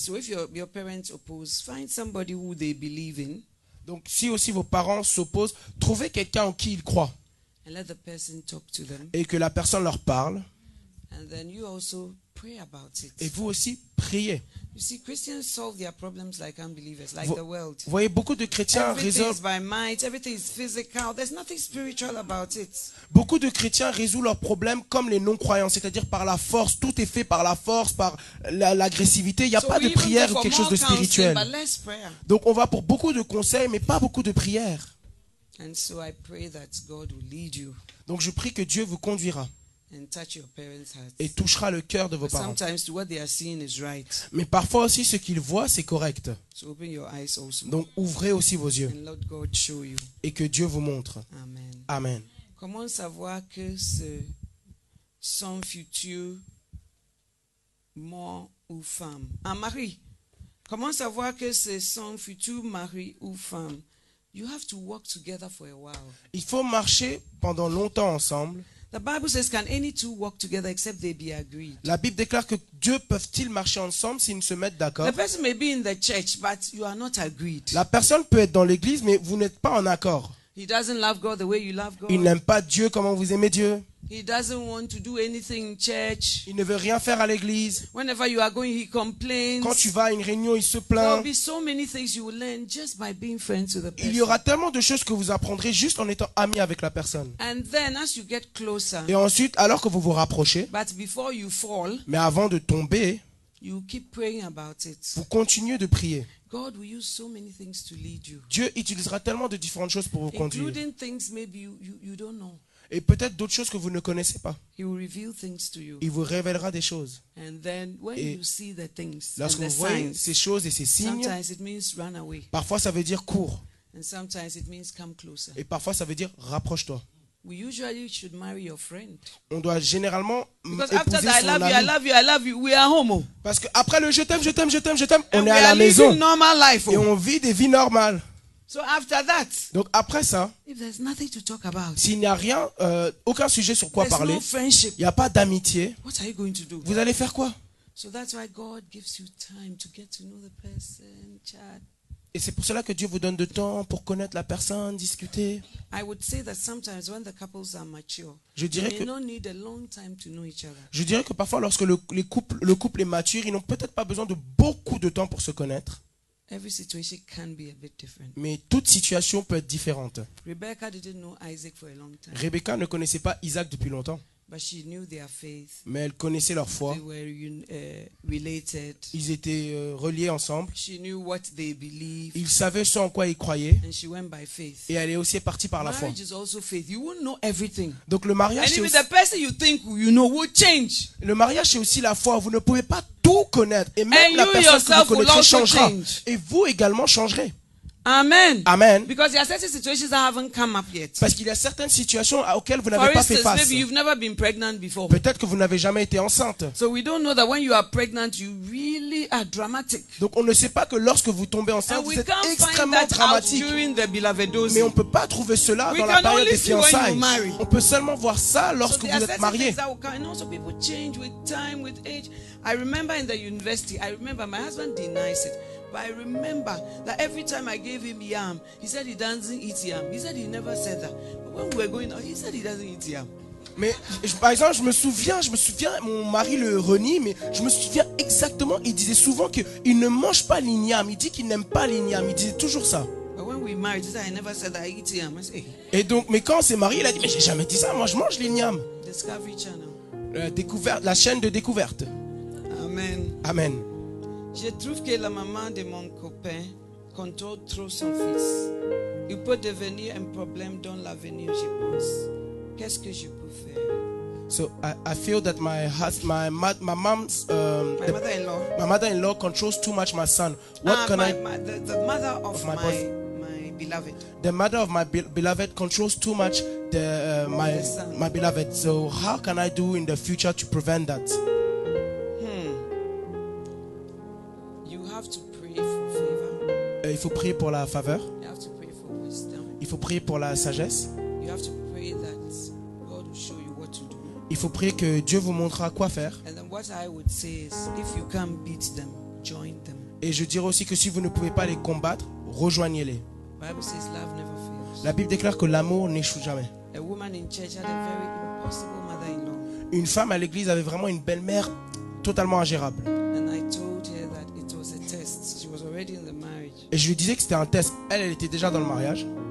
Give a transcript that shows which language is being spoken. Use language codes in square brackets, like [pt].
[en] So if your parents oppose, find somebody who they believe in. [fr] Donc, si aussi vos parents s'opposent, trouvez quelqu'un en qui ils croient. [en] And let the person talk to them. [fr] Et que la personne leur parle. [en] And then you also pray about it. [fr] Et vous aussi, priez. [en] You see, Christians solve their problems like unbelievers, like the world. [fr] Vous voyez, beaucoup de chrétiens résolvent. [en] Everything is by might, everything is physical. There's nothing spiritual about it. [fr] Beaucoup de chrétiens résolvent leurs problèmes comme les non-croyants, c'est-à-dire par la force. Tout est fait par la force, par l'agressivité. Il n'y a pas de prière ou quelque chose de spirituel. Donc on va pour beaucoup de conseils, mais pas beaucoup de prières. [en] And so I pray that God will lead you. [fr] Donc je prie que Dieu vous conduira. [en] And touch your parents' hearts. [fr] Et touchera le cœur de vos [en] But [fr] parents. [en] Sometimes what they are seeing is right. [fr] Mais parfois aussi ce qu'ils voient c'est correct. [en] So open your eyes also. [fr] Donc ouvrez aussi vos yeux. [en] And let God show you. [fr] Et que Dieu vous montre. [en] Amen. [fr] Amen. Comment savoir que ce son futur mort ou femme? Un mari. Comment savoir que ce son futur mari ou femme [en] You have to work together for a while. [fr] Il faut marcher pendant longtemps ensemble. [en] The Bible says, can any two walk together except they be agreed? [fr] La Bible déclare que Dieu peuvent-ils marcher ensemble s'ils ne se mettent d'accord? [en] The person may be in the church, but you are not agreed. [fr] La personne peut être dans l'église, mais vous n'êtes pas en accord. [en] He doesn't love God the way you love God. [fr] Il n'aime pas Dieu comme vous aimez Dieu. [en] He doesn't want to do anything in church. [fr] Il ne veut rien faire à l'église. [en] Whenever you are going, he complains. [fr] Quand tu vas à une réunion, il se plaint. [en] There will be so many things you will learn just by being friends with the person. [fr] Il y aura tellement de choses que vous apprendrez juste en étant ami avec la personne. [en] And then, as you get closer, [fr] et ensuite, alors que vous vous rapprochez, [en] but before you fall, [fr] mais avant de tomber, [en] you keep praying about it. [fr] Vous continuez de prier. [en] God will use so many things to lead you. [fr] Dieu utilisera tellement de différentes choses pour vous conduire. [en] Including things maybe you don't know. [fr] Et peut-être d'autres choses que vous ne connaissez pas. [en] He will reveal things to you. [fr] Il vous révélera des choses. [en] And then when [fr] et [en] you see the things, [fr] lorsque [en] and [fr] vous [en] the [fr] voyez [en] signs, [fr] ces choses et ces signes, [en] sometimes it means run away. [fr] Parfois ça veut dire cours. [en] And sometimes it means come closer. [fr] Et parfois ça veut dire rapproche-toi. [en] We usually should marry your friend. [fr] On doit généralement [en] because [fr] épouser [en] after that, [fr] son [en] I love [fr] ami. [en] You, I love you, I love you. We are home. [fr] Parce que après le je t'aime, [en] and [fr] on est à [en] are [fr] la maison. [en] Normal life. [fr] Et on vit des vies normales. [en] So after that, [fr] donc après ça, [en] if there's nothing to talk about, [fr] s'il n'y a rien, aucun sujet sur quoi [en] there's [fr] parler, [en] no friendship, [fr] il n'y a pas d'amitié, [en] what are you going to do? [fr] Vous allez faire quoi? [en] So that's why God gives you time to get to know the person, chat. [fr] Et c'est pour cela que Dieu vous donne de temps pour connaître la personne, discuter. Je dirais que parfois, lorsque le couple est mature, ils n'ont peut-être pas besoin de beaucoup de temps pour se connaître. [en] Every situation can be a bit different. [fr] Mais toute situation peut être différente. [en] Rebecca didn't know Isaac for a long time. [fr] Rebecca ne connaissait pas Isaac depuis longtemps. [en] But she knew their faith. [fr] Mais elle connaissait leur foi. [en] They were related. [fr] Ils étaient reliés ensemble. [en] She knew what they believed. [fr] Ils savaient ce en quoi ils croyaient. [en] And she went by faith. [fr] Et elle est aussi partie par la foi. [en] Marriage is also faith. You won't know everything. [fr] Donc le mariage, [en] and even the person you think you know will change. [fr] Le mariage est aussi la foi. Vous ne pouvez pas tout connaître. Et même [en] and [fr] la personne que vous connaîtrez changera. [en] Change. [fr] Et vous également changerez. [en] Amen. [fr] Amen. [en] Because there are certain situations that haven't come up yet. [fr] Parce qu'il y a certaines situations auxquelles vous n'avez [en] for instance, [fr] fait face. [en] Maybe you've never been pregnant before. [fr] Peut-être que vous n'avez jamais été enceinte. [en] So we don't know that when you are pregnant, you really are dramatic. [fr] Donc on ne sait pas que lorsque vous tombez enceinte, [en] and [fr] vous êtes extrêmement dramatique. [en] During the beloved dose. [fr] Mais on peut pas trouver cela [en] we [fr] dans la période des fiançailles. On peut seulement voir ça lorsque [en] so [fr] vous êtes marié. [en] So people change with time, with age. I remember in the university, I remember my husband denies it. But I remember that every time I gave him yam, he said he doesn't eat yam. He said he never said that. But when we were going out, he said he doesn't eat yam. [fr] Mais par exemple, je me souviens, mon mari le renie, mais je me souviens exactement. Il disait souvent qu'il ne mange pas l'igname. Il dit qu'il n'aime pas l'igname. Il disait toujours ça. [en] But when we married, he said I never said that I eat yam. I say. [fr] Et donc, mais quand on s'est marié, il a dit mais j'ai jamais dit ça. Moi, je mange l'igname. [en] Discovery Channel. [fr] Découverte, la chaîne de découverte. [en] Amen. [fr] Amen. Je trouve que la maman de mon copain contrôle trop son fils. Il peut devenir un problème dans l'avenir, je pense. Qu'est-ce que je peux faire? [en] So I feel that my husband, my mother-in-law controls too much my son. What can my, I? The mother of my boyfriend. My beloved. The mother of my beloved controls too much my beloved. So how can I do in the future to prevent that? [fr] Il faut prier pour la faveur. [en] You have to pray for wisdom. [fr] Il faut prier pour la sagesse. [en] You have to pray that God will show you what to do. [fr] Il faut prier que Dieu vous montrera quoi faire. [en] And then what I would say is, if you can't beat them, join them. [fr] Et je dirais aussi que si vous ne pouvez pas les combattre, rejoignez-les. [en] Bible says love never fails. [fr] La Bible déclare que l'amour n'échoue jamais. [en] A woman in church had a very impossible mother-in-law. [fr] Une femme à l'église avait vraiment une belle-mère totalement ingérable. [en] And I told her that it was a test. She was already in the [fr] et je lui disais que c'était un test. Elle était déjà dans le mariage.